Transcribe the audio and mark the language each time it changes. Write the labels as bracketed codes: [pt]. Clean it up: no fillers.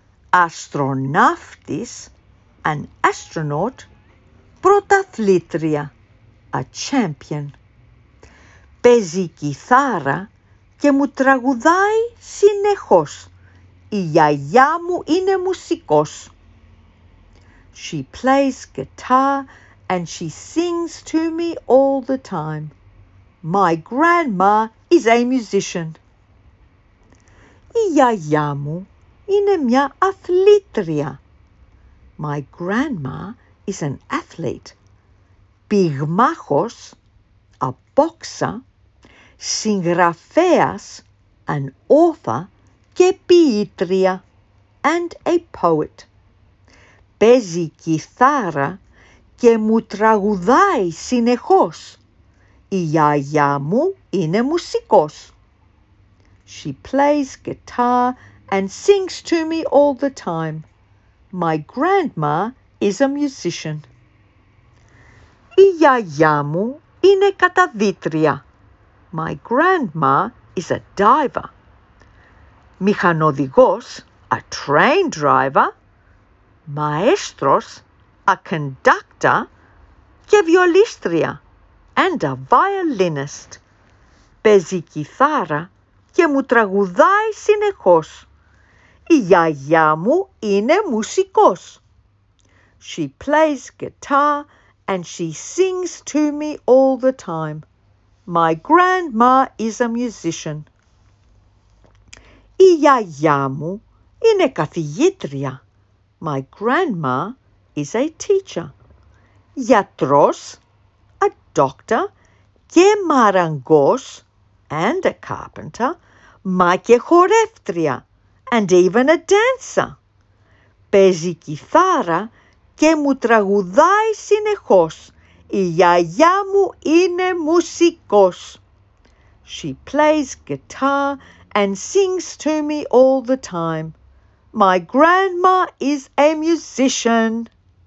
[en] Αστροναύτης, an astronaut. [el] Πρωταθλήτρια, [en] a champion. [el] Παίζει κιθάρα και μου τραγουδάει συνεχώς. Η γιαγιά μου είναι μουσικός. [en] She plays guitar and she sings to me all the time. My grandma is a musician. [el] Η γιαγιά μου είναι μια αθλήτρια. [en] My grandma is an athlete. Πυγμάχος, a boxer. Συγγραφέας, an author, [el] και ποιήτρια, [en] and a poet. [el] Παίζει κιθάρα και μου τραγουδάει συνεχώς. Η γιαγιά μου είναι μουσικός. [en] She plays guitar and sings to me all the time. My grandma is a musician. [el] Η γιαγιά μου είναι καταδύτρια. [en] My grandma is a diver. Μηχανοδηγός, a train driver. Μαέστρος, a conductor. [el] Και βιολίστρια, [en] and a violinist. [el] Παίζει κιθάρα και μου τραγουδάει συνεχώς. Η γιαγιά μου είναι μουσικός. [en] She plays guitar and she sings to me all the time. My grandma is a musician. [el] Η γιαγιά μου είναι καθηγήτρια. [en] My grandma is a teacher. Γιατρός, a doctor, [el] και μαραγκός, [en] and a carpenter, [el] μα και χορεύτρια, [en] and even a dancer. [el] Παίζει κιθάρα και μου τραγουδάει συνεχώς. Η γιαγιά μου είναι μουσικός. [en] She plays guitar and sings to me all the time. My grandma is a musician.